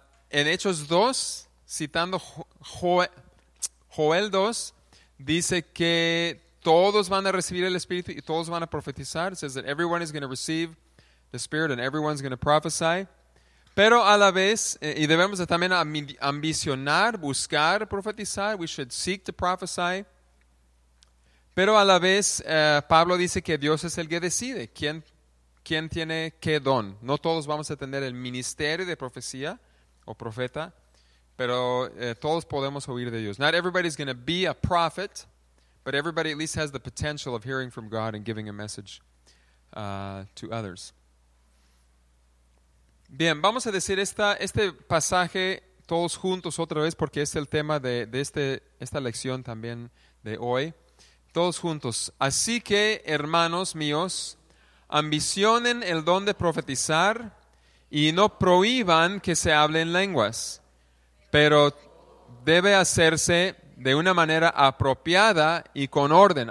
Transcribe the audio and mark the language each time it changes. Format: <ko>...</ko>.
<es>En Hechos 2, citando Joel 2, dice que todos van a recibir el Espíritu y todos van a profetizar.</es> <en>It says that everyone is going to receive the Spirit and everyone's going to prophesy.</en> <es>Pero a la vez, y debemos también ambicionar, buscar profetizar.</es> <en>We should seek to prophesy.</en> <es>Pero a la vez, Pablo dice que Dios es el que decide quién tiene qué don. No todos vamos a tener el ministerio de profecía o profeta, pero todos podemos oír de Dios.</es> <en>Not everybody's going to be a prophet, but everybody at least has the potential of hearing from God and giving a message to others.</en> <es>Bien, vamos a decir este pasaje todos juntos otra vez, porque es el tema de esta lección también de hoy. Todos juntos. Así que, hermanos míos, ambicionen el don de profetizar y no prohíban que se hable en lenguas, pero debe hacerse de una manera apropiada y con orden.</es>